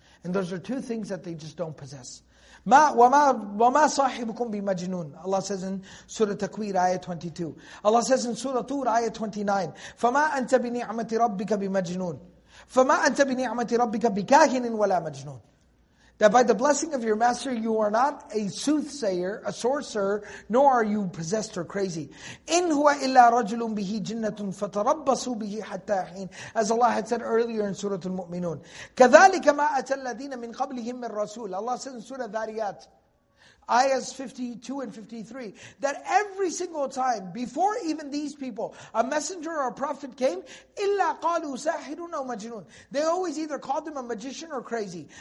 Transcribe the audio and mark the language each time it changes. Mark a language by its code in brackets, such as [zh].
[en] And those are two things that they just don't possess. [ar] وَمَا صَاحِبُكُمْ بِمَجْنُونَ [en] Allah says in Surah Takwir, Ayah 22. Allah says in Surah Tur, Ayah 29. [ar] فَمَا أَنْتَ بِنِعْمَةِ رَبِّكَ بِمَجْنُونَ فَمَا أَنْتَ بِنِعْمَةِ رَبِّكَ بِكَاهِنٍ وَلَا مَجْنُونَ [en] That by the blessing of your master, you are not a soothsayer, a sorcerer, nor are you possessed or crazy. [ar] إِنْ هُوَ إِلَّا رَجُلٌ بِهِ جِنَّةٌ فَتَرَبَّصُوا بِهِ حَتَّى حِينَ [en] As Allah had said earlier in Surah Al-Mu'minun. [ar] كَذَلِكَ مَا أَتَى الَّذِينَ مِنْ قَبْلِهِمْ مِنْ رَسُولِ [en] Allah said in Surah Dhariyat, Ayahs 52 and 53, that every single time, before even these people, a messenger or a prophet came, [ar] إِلَّا قَالُوا سَاحِرٌ أَوْ مَجْنُونَ [en] They always either called them a magician or crazy.